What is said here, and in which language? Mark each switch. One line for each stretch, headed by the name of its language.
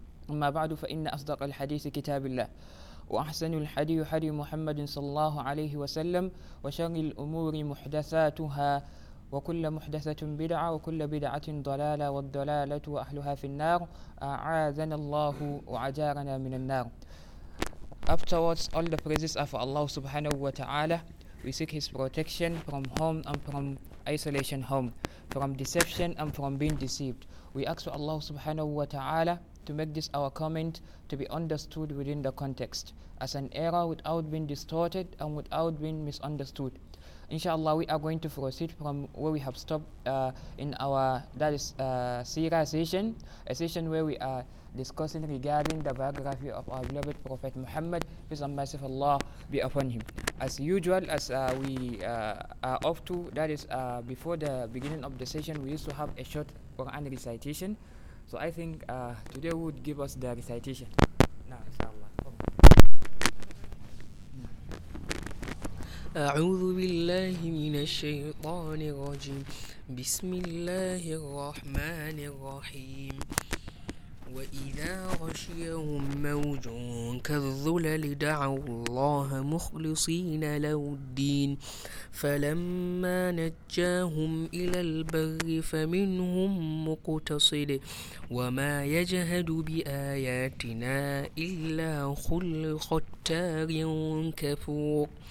Arabic: أما بعد فإن أصدق الحديث كتاب الله وأحسن الحديث حديث محمد صلى الله عليه وسلم وشر الأمور محدثاتها وكل محدثة بدعة وكل بدعة ضلالة والضلالة وأهلها في النار أعاذنا الله وعجارنا من النار.
English: Afterwards, all the praises are for Allah subhanahu wa ta'ala. We seek His protection from harm and from isolation home, from deception and from being deceived. We ask for Allah subhanahu wa ta'ala to make this our comment to be understood within the context as an error without being distorted and without being misunderstood. Inshallah, we are going to proceed from where we have stopped in our Seerah session where we are discussing regarding the biography of our beloved Prophet Muhammad, peace and mercy of Allah be upon him. As usual, before the beginning of the session, we used to have a short Quran recitation. So I think today would give us the recitation. Now, inshallah.
Arabic: أعوذ بالله من الشيطان الرجيم. بسم الله الرحمن الرحيم. وإذا غشيهم موج كالظلل دعوا الله مخلصين له الدين فلما نجاهم إلى البر فمنهم مقتصد وما يجهد بآياتنا إلا كل ختار كفور.